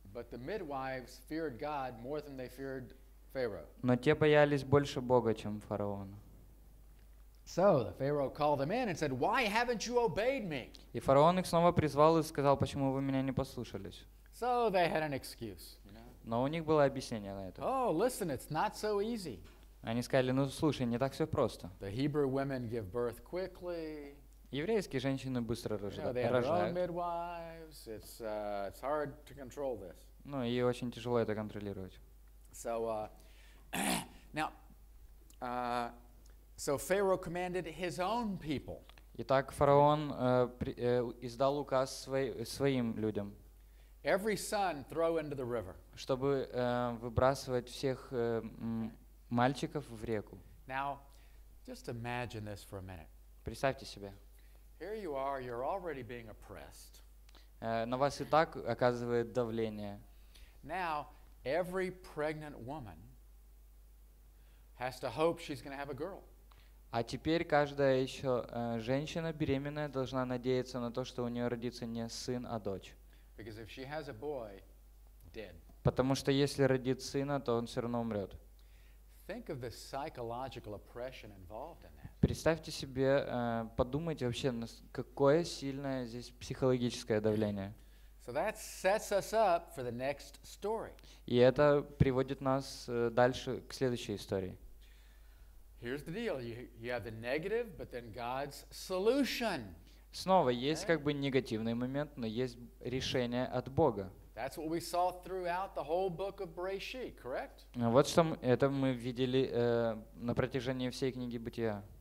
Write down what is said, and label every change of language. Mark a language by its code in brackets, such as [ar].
[en] But the midwives feared God more than they feared Pharaoh. [ru] Но те боялись больше Бога, чем фараон. [en] So the Pharaoh called them in and said, "Why haven't you obeyed me?" [ru] И фараон их снова призвал и сказал, почему вы меня не послушались. [en] So they had an excuse. You know? [ru] Но у них было объяснение на это. [en] Oh, listen, it's not so easy. [ru] Они сказали, ну слушай, не так все просто. [en] The Hebrew women give birth quickly. [ru] Еврейские женщины быстро рожают. [en] You know, they have their own midwives. It's hard to control this. [ru] Ну и очень тяжело это контролировать. [en] So, now, so Pharaoh commanded his own people. [ru] Итак, фараон издал указ своим людям. [en] Every son throw into the river. [ru] Чтобы выбрасывать всех мальчиков в реку. [en] Now, just imagine this for a minute. [ru] Представьте себе. [en] Here you are, you're already being oppressed. [ru] На вас и так оказывает давление. [en] Now, every pregnant woman has to hope she's going to have a girl. [ru] А теперь каждая еще женщина беременная должна надеяться на то, что у нее родится не сын, а дочь. [en] Because if she has a boy, dead. [ru] Потому что если родит сына, то он все равно умрет. [en] Think of the psychological oppression involved in that. [ru] Представьте себе, подумайте вообще, какое сильное здесь психологическое давление. [en] So that sets us up for the next story. [ru] И это приводит нас дальше к следующей истории. [en] Here's the deal. You have the negative, but then God's solution. [ru] Снова есть как бы негативный момент, но есть решение от Бога. [en] That's what we saw throughout the whole book of Bereishit, correct? [ru] Вот что это мы видели на протяжении всей книги Бытия.